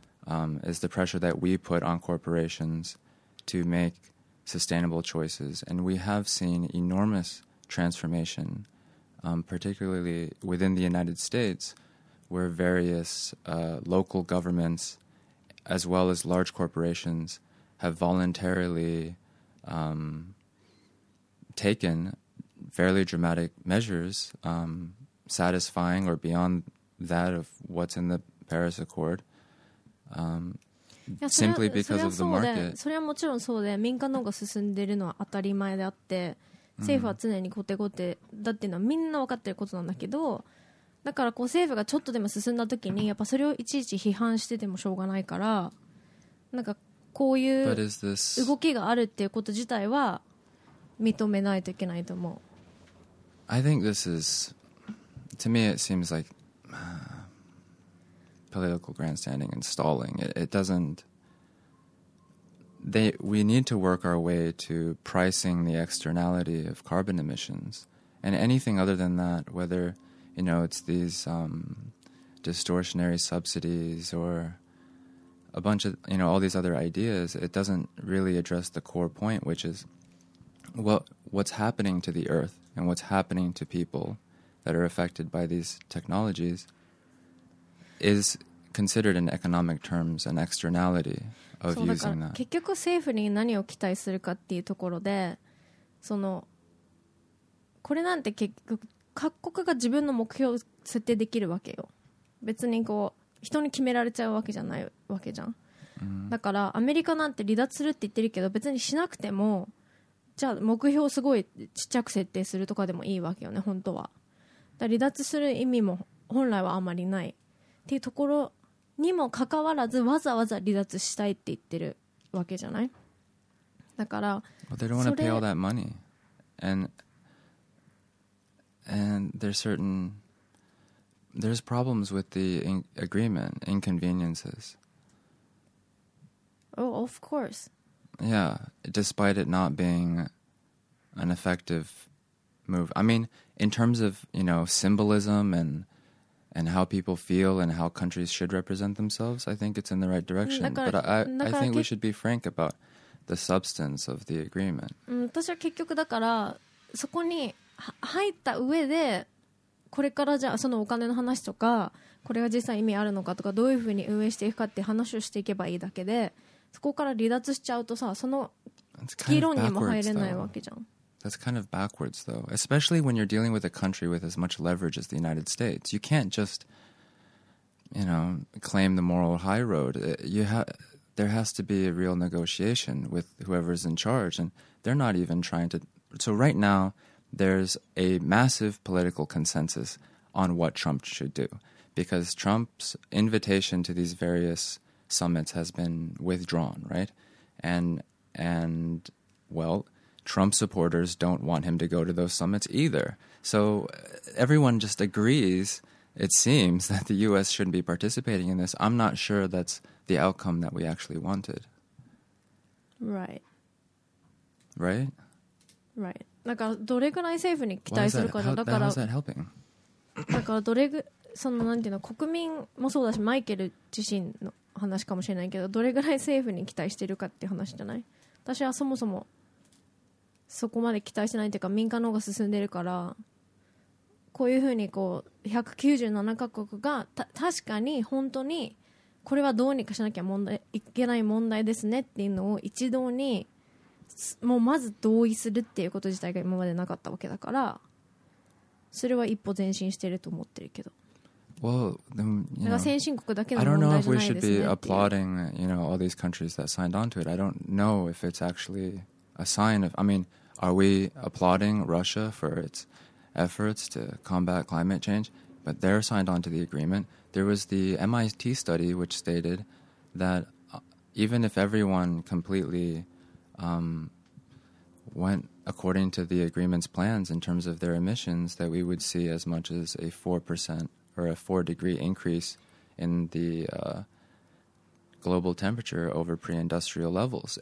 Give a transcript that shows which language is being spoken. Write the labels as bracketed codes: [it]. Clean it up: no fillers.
[en] Is the pressure that we put on corporations to make sustainable choices, and we have seen enormous transformation, particularly within the United States, where various local governments, as well as large corporations, have voluntarily taken fairly dramatic measures, satisfying or beyond that of what's in the Paris Accord、simply because of the market. [ja] それはもちろんそうで、民間の方が進んでるのは当たり前であって、政府は常にコテコテだっていうのはみんな分かってることなんだけど、だからこう政府がちょっとでも進んだ時にやっぱそれをいちいち批判しててもしょうがないから、なんかこういう動きがあるっていうこと自体は認めないといけないと思う。 [en] I think this is to me it seems like、political grandstanding and stalling. It doesn't we need to work our way to pricing the externality of carbon emissions, and anything other than that, whetherYou know, it's these、distortionary subsidies or a bunch of, you know, all these other ideas. It doesn't really address the core point, which is what's happening to the earth and what's happening to people that are affected by these technologies is considered in economic terms an externality of using that. [ja] 結局政府に何を期待するかっていうところで、そのこれなんて結局各国が自分の目標を設定できるわけよ。別にこう人に決められちゃうわけじゃないわけじゃん、だからアメリカなんて離脱するって言ってるけど、別にしなくてもじゃあ目標をすごいちっちゃく設定するとかでもいいわけよね、本当は。だから離脱する意味も本来はあまりないっていうところにもかかわらず、わざわざ離脱したいって言ってるわけじゃない。だから [en] それ、 But they don't want to pay all that money. And there's problems with the agreement, inconveniences. Oh, of course. Yeah, despite it not being an effective move. I mean, in terms of, you know, symbolism and how people feel and how countries should represent themselves, I think it's in the right direction. But I think we should be frank about the substance of the agreement. [ja] 私は結局だからそこに入った上で、これからじゃあそのお金の話とか、これが実際意味あるのかとか、どういうふうに運営していくかって話をしていけばいいだけで、そこから離脱しちゃうとさ、その議論にも入れないわけじゃん。 [en] That's kind of backwards though, especially when you're dealing with a country with as much leverage as the United States. You can't just, you know, claim the moral high road. There has to be a real negotiation with whoever's in charge, and they're not even trying to. So right nowThere's a massive political consensus on what Trump should do, because Trump's invitation to these various summits has been withdrawn, right? And well, Trump supporters don't want him to go to those summits either. So everyone just agrees, it seems, that the U.S. shouldn't be participating in this. I'm not sure that's the outcome that we actually wanted. Right. Right? Right. [ja] なんかどれぐらい政府に期待するかじゃ、だからどれぐそのなんていうの、国民もそうだし、マイケル自身の話かもしれないけど、どれぐらい政府に期待してるかっていう話じゃない。私はそもそもそこまで期待してないっていうか、民間の方が進んでるから、こういうふうにこう197カ国が確かに本当にこれはどうにかしなきゃ問題いけない問題ですねっていうのを一堂にもうまず同意するっていうこと自体が今までなかったわけだから、それは一歩前進してると思ってるけど。 [en] Well, then, you know, [ja] 先進国だけの問題じゃないですね。 [en] I don't know if we should be applauding, you know, all these countries that signed on to it. I don't know if it's actually a sign of, I mean, are we applauding Russia for its efforts to combat climate change? But they're signed on to the agreement. There was the MIT study which stated that even if everyone completely went according to the agreement's plans in terms of their emissions, that we would see as much as a 4% or a 4-degree increase in the global temperature over pre-industrial levels.